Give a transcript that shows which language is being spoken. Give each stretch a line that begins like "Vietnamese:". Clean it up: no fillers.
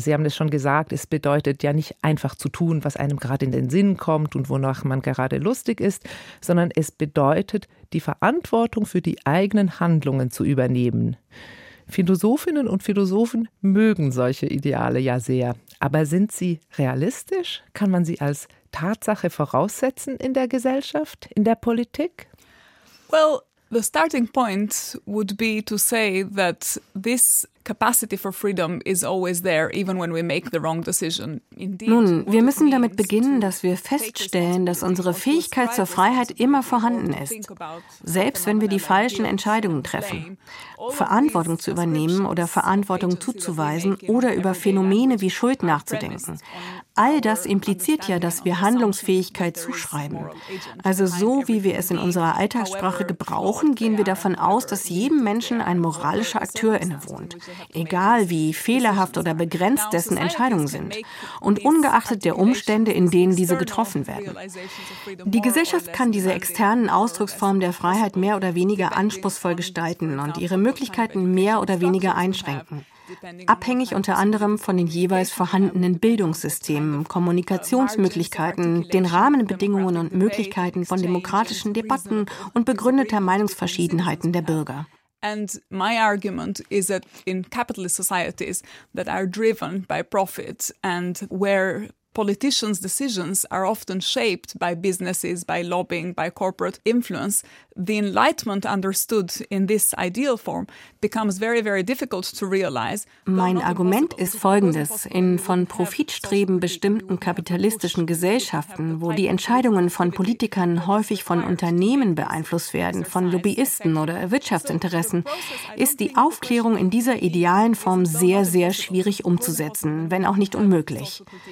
German: Sie haben es schon gesagt, es bedeutet ja nicht einfach zu tun, was einem gerade in den Sinn kommt und wonach man gerade lustig ist, sondern es bedeutet, die Verantwortung für die eigenen Handlungen zu übernehmen. Philosophinnen und Philosophen mögen solche Ideale ja sehr. Aber sind sie realistisch? Kann man sie als Tatsache voraussetzen in der Gesellschaft, in der Politik?
English: Well, the starting point would be to say that this capacity for freedom is always there, even when we make the wrong decision.
German: Nun, wir müssen damit beginnen, dass wir feststellen, dass unsere Fähigkeit zur Freiheit immer vorhanden ist, selbst wenn wir die falschen Entscheidungen treffen. Verantwortung zu übernehmen oder Verantwortung zuzuweisen oder über Phänomene wie Schuld nachzudenken. All das impliziert ja, dass wir Handlungsfähigkeit zuschreiben. Also so, wie wir es in unserer Alltagssprache gebrauchen, gehen wir davon aus, dass jedem Menschen ein moralischer Akteur innewohnt. Egal, wie fehlerhaft oder begrenzt dessen Entscheidungen sind und ungeachtet der Umstände, in denen diese getroffen werden. Die Gesellschaft kann diese externen Ausdrucksformen der Freiheit mehr oder weniger anspruchsvoll gestalten und ihre Möglichkeiten mehr oder weniger einschränken. Abhängig unter anderem von den jeweils vorhandenen Bildungssystemen, Kommunikationsmöglichkeiten, den Rahmenbedingungen und Möglichkeiten von demokratischen Debatten und begründeter Meinungsverschiedenheiten der Bürger.
English: And my argument is that in capitalist societies that are driven by profit and where politicians' decisions are often shaped by businesses, by lobbying, by corporate influence, the Enlightenment understood in this ideal form becomes very, very difficult to realize.
German: Mein Argument ist folgendes. In von Profitstreben bestimmten kapitalistischen Gesellschaften, wo die Entscheidungen von Politikern häufig von Unternehmen beeinflusst werden, von Lobbyisten oder Wirtschaftsinteressen, ist die Aufklärung in dieser idealen Form sehr, sehr schwierig umzusetzen, wenn auch nicht unmöglich.